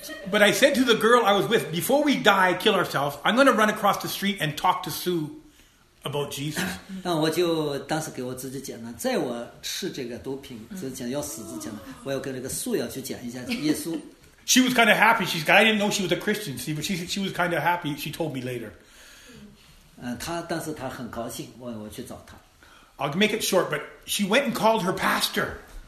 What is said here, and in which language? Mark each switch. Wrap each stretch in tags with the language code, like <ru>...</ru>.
<en>But I said to the girl I was with, before we die, kill ourselves, I'm going to run across the street and talk to Sue about Jesus.</en> <zh>那我就当时给我自己讲呢，在我吃这个毒品之前要死之前呢，我要跟这个素要去讲一下耶稣。</zh> <en>She was kind of happy. She's I didn't know she was a Christian. See, but she was kind of happy. She told me later.</en> <zh>但是她很高兴，我去找她。</zh> <en>I'll make it short, but she went and called her pastor.</en>